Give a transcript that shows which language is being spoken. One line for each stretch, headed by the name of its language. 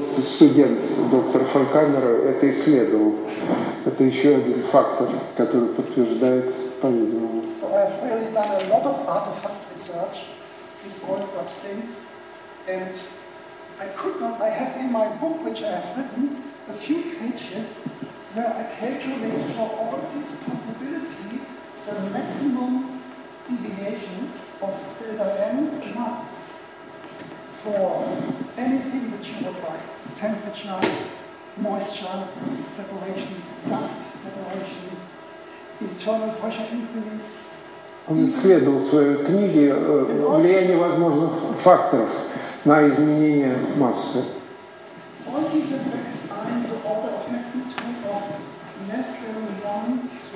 Russian: Вот студент доктора Фанкамера это исследовал. Это еще один фактор, который подтверждает, по-видимому.
English: So I've really done a lot of artifact research with all such things. And I could not, I have in my book, which I have written, a few pages where I calculate for all these possibilities the maximum deviations of delta M max for anything which you would like, temperature, moisture, separation, dust separation, internal pressure increase.
Russian: Он исследовал в своей книге влияние возможных факторов на изменение массы.
English: All these effects are in the order of magnitude of less than 1 to 2.